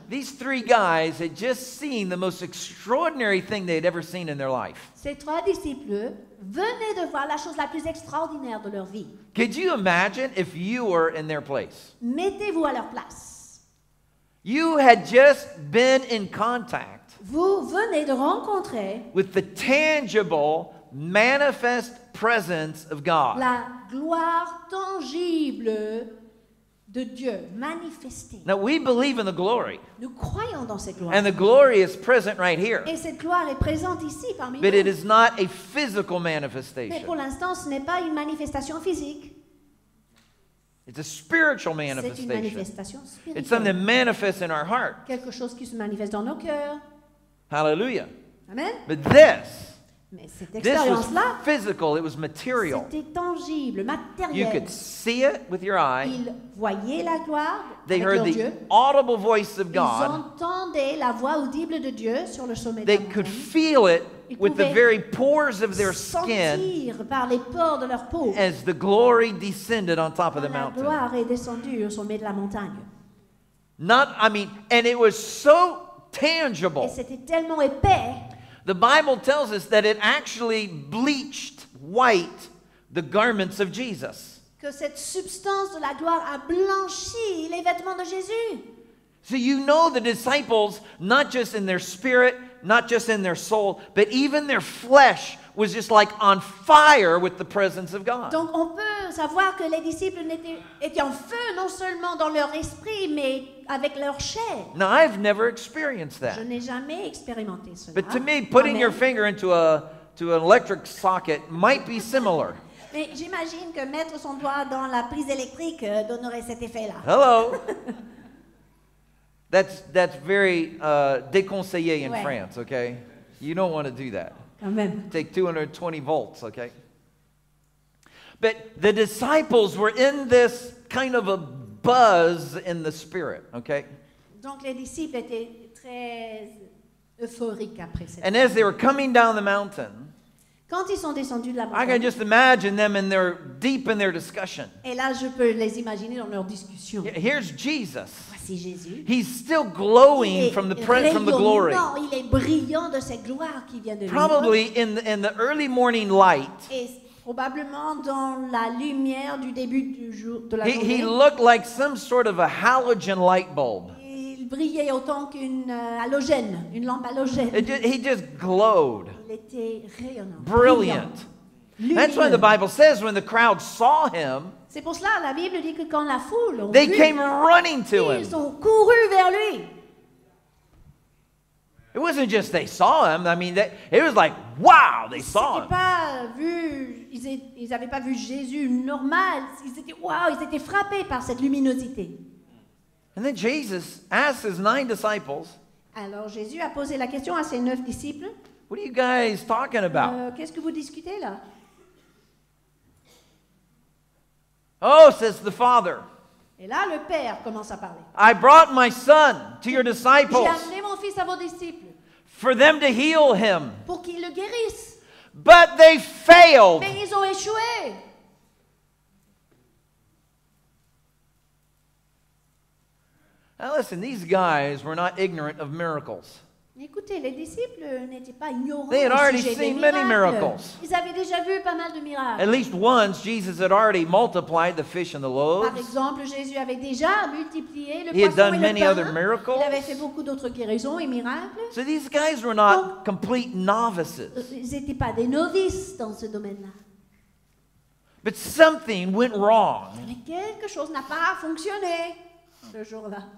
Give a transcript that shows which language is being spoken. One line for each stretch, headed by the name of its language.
English: These three guys had just seen the most extraordinary thing they had ever seen in their life.
French: Ces trois disciples venaient de voir la chose la plus extraordinaire de leur vie.
English: Could you imagine if you were in their place?
French: Mettez-vous à leur place.
English: You had just been in contact.
French: Vous venez de rencontrer
English: with the tangible, manifest presence of God.
French: La gloire tangible de Dieu manifestée.
English: Now we believe in the glory.
French: Nous croyons dans cette gloire.
English: And the glory is present right here.
French: Et cette gloire est présente ici parmi
English: But
French: nous.
English: It is not a physical manifestation.
French: Mais pour l'instant, ce n'est pas une manifestation physique.
English: It's a spiritual manifestation.
French: C'est une manifestation spirituelle.
English: It's something that manifests in our heart.
French: Quelque chose qui se manifeste dans nos cœurs.
English: Hallelujah. Amen. But this.
French: Mais cette expérience-là,
English: this was physical, it was material.
French: C'était tangible, matériel.
English: You could see it with your eye.
French: Ils voyaient la gloire
English: They
French: avec leurs
English: They heard the
French: Dieu.
English: Audible voice of God.
French: Ils entendaient la voix audible de Dieu sur le sommet
English: They
French: de la
English: could
French: montagne.
English: Feel it with the very pores of their skin
French: sentir par les pores de leur peau
English: as the glory descended on top of the mountain.
French: La gloire est descendue au sommet de la montagne.
English: Not, I mean, and it was so tangible.
French: Et c'était tellement épais.
English: The Bible tells us that it actually bleached white the garments of Jesus.
French: Que cette substance de la gloire a blanchi les vêtements de Jésus.
English: So you know the disciples, not just in their spirit, not just in their soul, but even their flesh was just like on fire with the presence of God.
French: Donc on peut savoir que les disciples étaient en feu non seulement dans leur esprit, mais avec leur chair.
English: Now, I've never experienced that.
French: Je n'ai jamais expérimenté cela.
English: But to me, putting Amen. Your finger into a to an electric socket might be similar.
French: Mais j'imagine que mettre son doigt dans la prise électrique donnerait cet effet-là.
English: Hello. That's very déconseillé in France, okay? You don't want to do that. Amen. Take 220 volts, okay? But the disciples were in this kind of a buzz in the spirit, okay?
French: Donc les disciples étaient très euphoriques après cette
English: And as they were coming down the mountain,
French: quand ils sont descendus de la montagne,
English: I can just imagine them in their deep in their discussion.
French: Et là, je peux les imaginer dans leur discussion.
English: Here's Jesus.
French: Voici Jésus.
English: He's still glowing from the presence from the glory.
French: Il est brillant de cette gloire qui vient de lui.
English: Probably in the early morning light.
French: Probablement dans la lumière du début du jour de la journée.
English: He looked like some sort of a halogen light bulb.
French: Il brillait autant qu'une halogène, une lampe halogène.
English: He just glowed.
French: Il était rayonnant.
English: Brilliant. That's why the Bible says when the crowd saw him.
French: C'est pour cela la Bible dit que quand la foule
English: They came running to him.
French: Ils ont couru vers lui.
English: It wasn't just they saw him. I mean, it was like, wow, they saw him.
French: Ils n'avaient pas vu Jésus normal. Ils étaient, wow, ils étaient frappés par cette luminosité.
English: And then Jesus asked his nine disciples.
French: Alors Jésus a posé la question à ses neuf disciples.
English: What are you guys talking about?
French: Qu'est-ce que vous discutez là?
English: Oh, says the Father.
French: Et là, le Père commence à parler.
English: I brought my son to your disciples.
French: J'ai amené mon fils à vos disciples.
English: For them to heal him.
French: Pour qu'ils le guérissent.
English: But they failed.
French: Mais ils ont échoué.
English: Now listen, these guys were not ignorant of miracles.
French: Écoutez, les disciples n'étaient pas ignorants.
English: They had already seen many miracles.
French: Ils avaient déjà vu pas mal de miracles.
English: At least once, Jesus had already multiplied the fish and the loaves.
French: Par exemple, Jésus avait déjà multiplié le poisson et le
English: pain. He had done many other miracles.
French: Il avait fait beaucoup d'autres guérisons et miracles.
English: So these guys were not complete novices.
French: Ils n'étaient pas des novices dans ce domaine-là.
English: But something went wrong.
French: Mais quelque chose n'a pas fonctionné ce jour-là.